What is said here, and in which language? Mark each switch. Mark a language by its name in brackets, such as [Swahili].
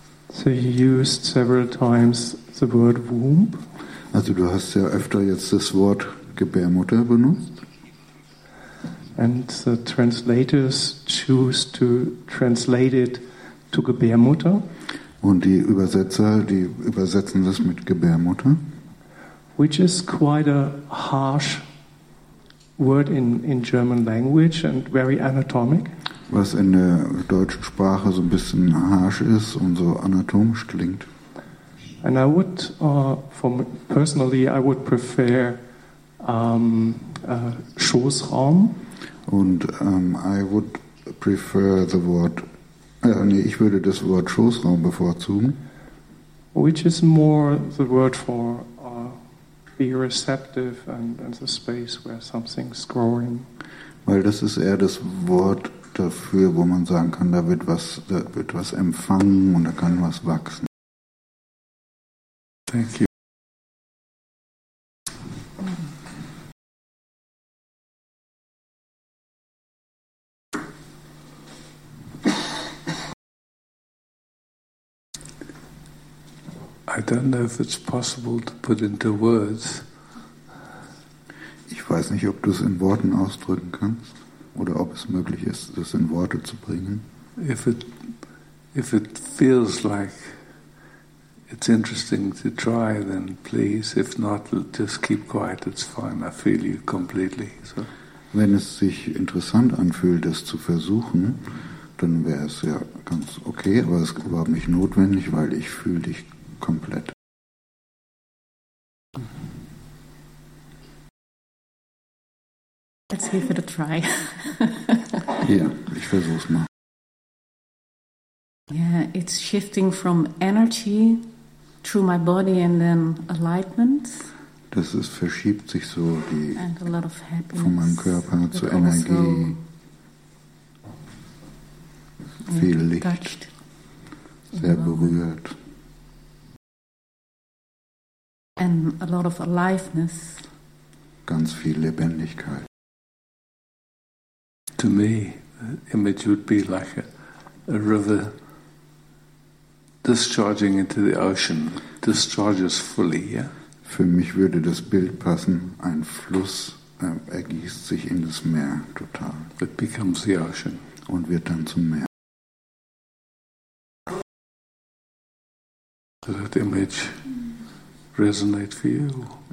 [English] So you used several times the word womb. [German] Also du hast ja öfter jetzt das Wort Gebärmutter benutzt. [English] And the translators choose to translate it to Gebärmutter. [German] Und die Übersetzer, die übersetzen das mit Gebärmutter. [English] Which is quite a harsh word in German language and very anatomic. [German] Was in der deutschen Sprache so ein bisschen harsch ist und so anatomisch klingt. [English] And I would, for me, personally, I would prefer Schoßraum. Und I would prefer the word. [German] Ich würde das Wort Schoßraum bevorzugen. [English] Which is more the word for be receptive and the space where something's growing. [German] Weil das ist eher das Wort dafür, wo man sagen kann, da wird was empfangen und da kann was wachsen. [English] Thank you. I don't know if it's possible to put into words. [German] Ich weiß nicht, ob du es in Worten ausdrücken kannst oder ob es möglich ist, das in Worte zu bringen. [English] If it feels like it's interesting to try, then please. If not, just keep quiet. It's fine. I feel you completely. So. [German] Wenn es sich interessant anfühlt, das zu versuchen, dann wäre es ja ganz okay. Aber es ist überhaupt nicht notwendig, weil ich fühle dich komplett. [English] Let's give it a try. [German] Ja, ich versuch's mal. [English] Yeah, it's shifting from energy through my body and then alignment. [German] Das ist verschiebt sich so die [English] and a lot of happiness, [German] von meinem Körper zu Energie. Viel Licht. [English] Touched. [German] Sehr berührt. [English] And a lot of aliveness. [German] Ganz viel Lebendigkeit. [English] To me, the image would be like a river discharging into the ocean, discharges fully, yeah? [German] Für mich würde das Bild passen, ein Fluss ergießt sich in das Meer total. [English] It becomes the ocean. [German] Und wird dann zum Meer. [English] That image resonate for you?